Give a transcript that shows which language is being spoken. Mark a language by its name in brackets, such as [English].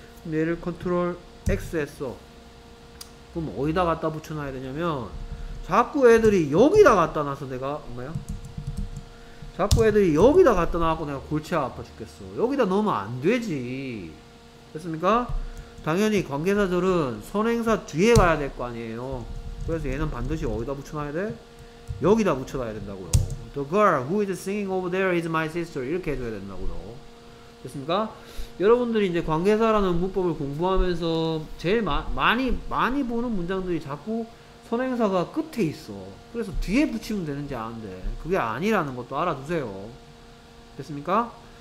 [Korean] 근데 얘를 컨트롤 X 했어. 그럼 어디다 갖다 붙여놔야 되냐면, 자꾸 애들이 여기다 갖다 놔서 내가, 뭐야? 자꾸 애들이 여기다 갖다 놔갖고 내가 골치 아파 죽겠어. 여기다 넣으면 안 되지. 됐습니까? 당연히 관계사절은 선행사 뒤에 가야 될거 아니에요. 그래서 얘는 반드시 어디다 붙여놔야 돼? 여기다 붙여놔야 된다고요. [English] The girl who is singing over there is my sister. [Korean] 이렇게 해줘야 된다고요. 됐습니까? 여러분들이 이제 관계사라는 문법을 공부하면서 제일 많이 보는 문장들이 자꾸 선행사가 끝에 있어. 그래서 뒤에 붙이면 되는지 아는데 그게 아니라는 것도 알아두세요. 됐습니까?